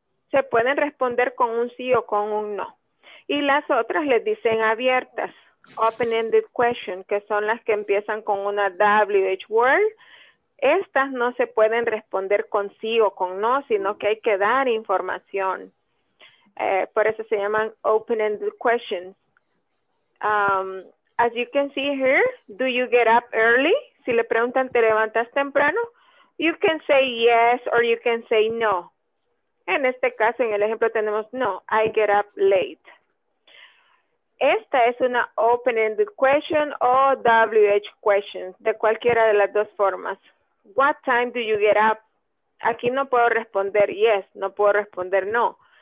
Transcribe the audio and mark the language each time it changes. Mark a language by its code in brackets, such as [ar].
[es] Se pueden responder con un sí o con un no. Y las otras les dicen abiertas. Open-ended question, que son las que empiezan con una WH word. Estas no se pueden responder con sí o con no, sino que hay que dar información. Por eso se llaman open-ended questions. [en] As you can see here, do you get up early? [es] Si le preguntan, ¿te levantas temprano? [en] You can say yes or you can say no. [es] En este caso, en el ejemplo tenemos [en] no, I get up late. [es] Esta es una open-ended question o WH question, de cualquiera de las dos formas. [en] What time do you get up? [es] Aquí no puedo responder yes, no puedo responder no.